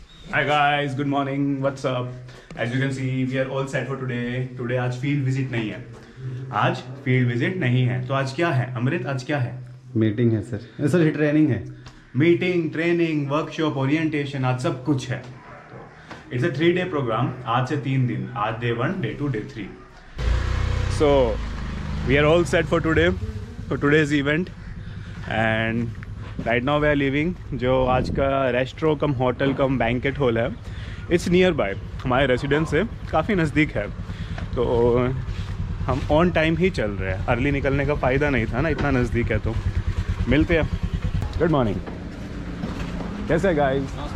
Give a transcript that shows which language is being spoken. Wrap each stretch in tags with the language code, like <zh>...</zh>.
<en>Hi guys, good morning, what's up? As you can see, we are all set for today. Today,</en> <hi>आज field visit नहीं है. आज field visit नहीं है. तो आज क्या है? अमृत, आज क्या है? Meeting है sir. Sir, ये training है. Meeting, training, workshop, orientation, आज सब कुछ है.</hi> <en>It's a 3-day program.</en> <hi>आज से 3 दिन. आज</hi> <en>day 1, day 2, day 3. So, we are all set for today. For today's event.</en> <hi>And</hi> <en>right now we are living</en> <hi>जो आज का रेस्ट्रो कम होटल कम बैंकेट हॉल है</hi> <en>it's nearby</en> <hi>हमारे रेजिडेंस से काफ़ी नज़दीक है तो हम ऑन टाइम ही चल रहे हैं अर्ली निकलने का फ़ायदा नहीं था ना इतना नज़दीक है तो मिलते हैं गुड मॉर्निंग कैसे गाइस</hi>